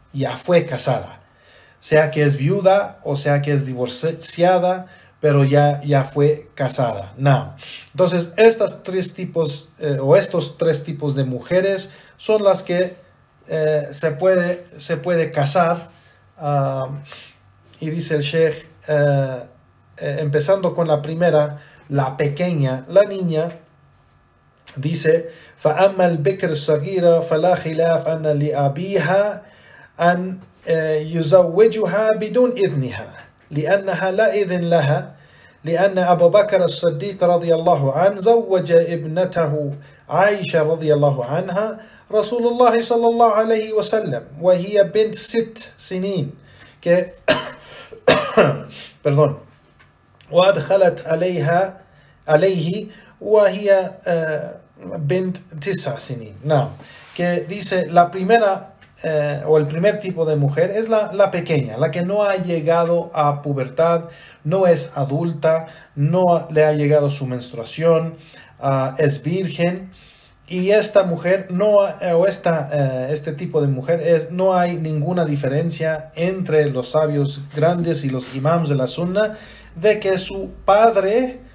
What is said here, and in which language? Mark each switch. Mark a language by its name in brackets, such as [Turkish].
[Spanish] Ya fue casada. Sea que es viuda o sea que es divorciada, pero ya fue casada. Now. Entonces, estos tres tipos de mujeres son las que se puede casar. Y dice el Sheikh, empezando con la primera, la pequeña, la niña, dice: [Arabic] فَأَمَّا الْبِكْرُ الصَّغِيرَ فَلَا خِلَافَ أَنَّ لِأَبِيهَا أَنْ يُزَوِّجُهَا بِدُونِ إِذْنِهَا لِأَنَّهَا لَا إِذْنَ لَهَا لِأَنَّ أَبَا بَكْرَ الصَّدِيقَ رَضِيَ اللَّهُ عَنْهُ زَوَّجَ ابْنَتَهُ عَائِشَةَ رَضِيَ اللَّهُ عَنْهَا رسول الله صلى الله عليه وسلم وهي بنت ست سنين [Spanish] que perdón [Arabic] وادخلت عليها عليه وهي بنت تسع سنين. [Spanish] نعم, que dice la primera o el primer tipo de mujer es la pequeña, la que no ha llegado a pubertad, no es adulta, no le ha llegado su menstruación, es virgen. Y esta mujer, no, o esta, este tipo de mujer, es, no hay ninguna diferencia entre los sabios grandes y los imams de la sunna, de que su padre,